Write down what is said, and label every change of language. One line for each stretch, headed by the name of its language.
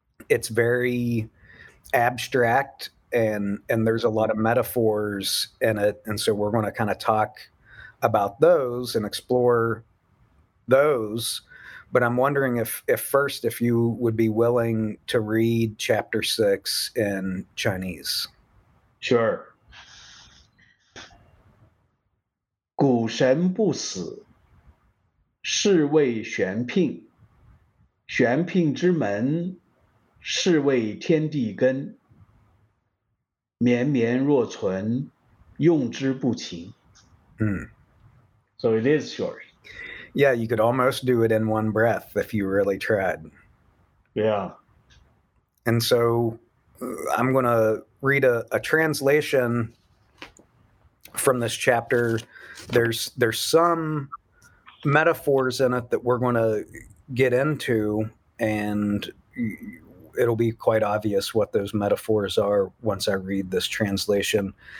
English: It's very abstract, and there's a lot of metaphors in it. And so we're going to kind of talk about those and explore those. But I'm wondering if you would be willing to read chapter 6 in Chinese. Sure.
Chinese: 古神不死, 是谓玄牝, 玄牝之门, 是谓天地根, 绵绵若存, 用之不情.
English: So it is short. Yeah, you could almost do it in one breath if you really tried. Yeah. And so I'm going to read a translation from this chapter. There's some metaphors in it that we're going to get into, and it'll be quite obvious what those metaphors are once I read this translation.